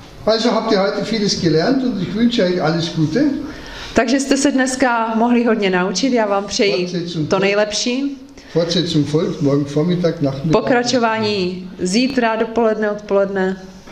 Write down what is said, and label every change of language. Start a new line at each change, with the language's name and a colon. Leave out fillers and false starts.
German: Also habt ihr heute vieles gelernt und ich wünsche euch alles Gute.
Czech: Takže jste se dneska mohli hodně naučit, já vám přeji to nejlepší.
German: Fortsetzung folgt morgen Vormittag, Nachmittag.
Czech: Pokračování zítra dopoledne, odpoledne.